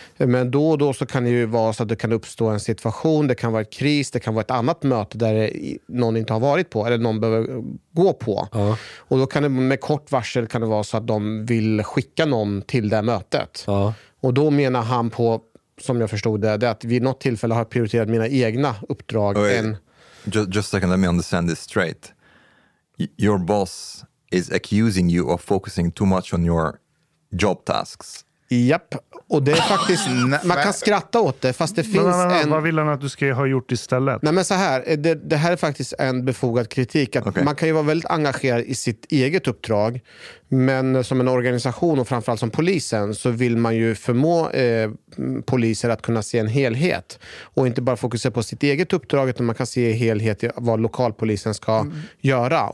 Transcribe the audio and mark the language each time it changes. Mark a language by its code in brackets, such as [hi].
[sv] Men då och då så kan det ju vara så att det kan uppstå en situation, det kan vara ett kris, det kan vara ett annat möte där någon inte har varit på eller någon behöver gå på, ja. Och då kan det med kort varsel kan det vara så att de vill skicka någon till det mötet, ja. Och då menar han på, som jag förstod det, är att vid något tillfälle har prioriterat mina egna uppdrag. Okay. Än... [en] Just a second, let me understand this straight. Your boss is accusing you of focusing too much on your job tasks. [sv] Japp, och det är faktiskt... man kan skratta åt det, fast det finns en... Vad vill han att du ska ha gjort istället? Nej, men så här, det här är faktiskt en befogad kritik. Att okay. Man kan ju vara väldigt engagerad i sitt eget uppdrag, men som en organisation och framförallt som polisen så vill man ju förmå poliser att kunna se en helhet och inte bara fokusera på sitt eget uppdrag, utan man kan se helhet i vad lokalpolisen ska göra.